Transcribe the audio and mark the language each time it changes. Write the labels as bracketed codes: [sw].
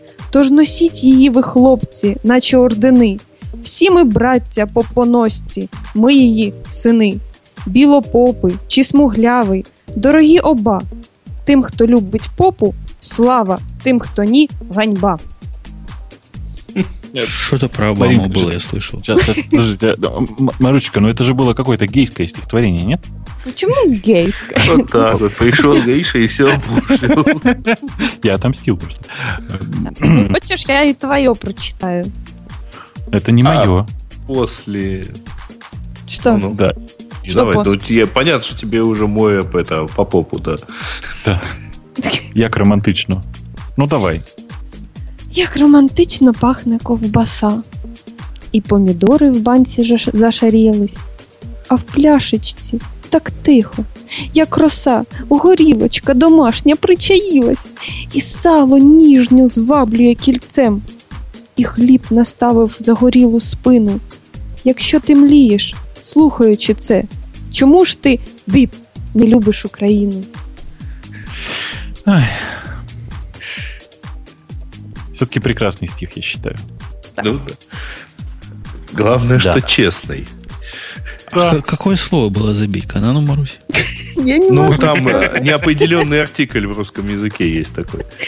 [uk] Тож носіть її ви, хлопці, наче ордени. Всі ми браття по поносці, ми її сини. Білопопи чи смугляви, дорогі оба. Тим, хто любить попу, слава, тим, хто ні, ганьба. [ru] Что-то про Обаму Маринка, было, я слышал. Подождите, Марусечка, ну это же было какое-то гейское стихотворение, нет? Почему гейское? Вот так вот, пришел Гейша и все обрушил. Я отомстил просто. Хочешь, я и твое прочитаю. Это не мое. После... Что? Ну, да. Что давай, после? Ну, я, понятно, что тебе уже мой это, по попу, да. Да. [uk] Як романтично. [ru] Ну давай. [uk] Як романтично пахне ковбаса, і помідори в банці зашарілись, а в пляшечці так тихо, як роса, горілочка домашня причаїлась, і сало ніжню зваблює кільцем, і хліб наставив загорілу спину. Якщо ти млієш, слухаючи це, чому ж ти, біп, не любиш Україну? [ru] Все-таки прекрасный стих, я считаю. Да. Ну, да. Главное, что честный. А какое слово было забить? Она, ну, Марусь. Я не могу. Ну, там неопределенный артикль в русском языке есть такой.